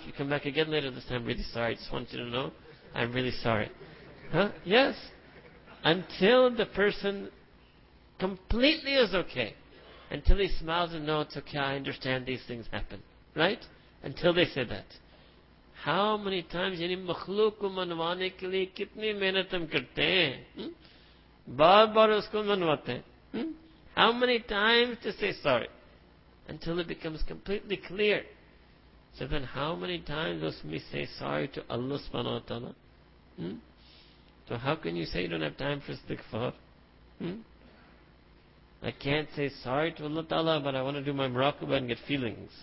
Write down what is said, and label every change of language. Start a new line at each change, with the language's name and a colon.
English: You come back again later this time, I'm really sorry. I just want you to know, I'm really sorry. Yes. Until the person completely is okay. Until he smiles and knows, it's okay, I understand these things happen. Right? Until they say that. How many times,
Urdu: یعنی مخلوق کو منوانے کے لیے کتنی محنت ہم کرتے ہیں? بار بار اس کو منواتے ہیں.
English: How many times to say sorry? Until it becomes completely clear. So then how many times must we say sorry to Allah subhanahu wa ta'ala? So how can you say you don't have time for istighfar? I can't say sorry to Allah ta'ala, but I want to do my muraqabah and get feelings.